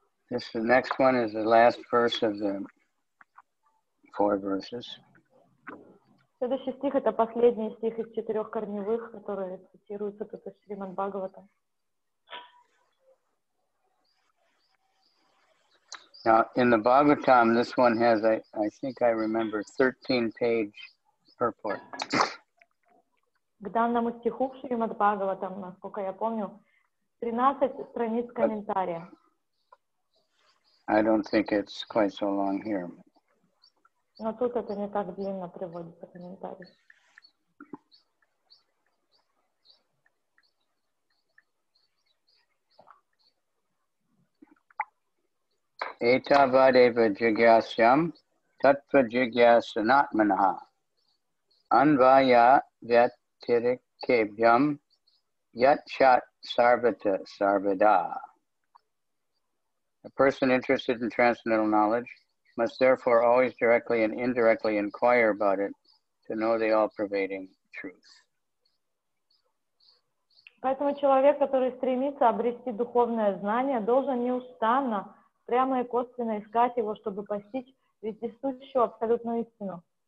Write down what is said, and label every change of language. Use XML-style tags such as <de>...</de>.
<en>This, the next one is the last verse of the four verses.</en> <ru>Следующий стих — это последний стих из четырех корневых, который цитируется тут из Шримад Бхагаватам.</ru> <en>Now, in the Bhagavatam, this one has, I think I remember, 13-page purport.</en> <ru>К данному стиху в Шримад Бхагаватам, насколько я помню, 13 страниц комментария.</ru> <en>I don't think it's quite so long here.</en> <ru>Но тут это не так длинно приводится комментарий.</ru> <sa>Etavadeva jigyasyam tatva jigyasanatmanaha anvaya vyatirikebhyam yachat sarvata sarvada.</sa> <en>A person interested in transcendental knowledge must therefore always directly and indirectly inquire about it to know the all-pervading truth.</en> <ru>Поэтому человек, который стремится обрести духовное знание, должен неустанно прямо и косвенно искать его, чтобы постичь вездесущую абсолютную истину.</ru>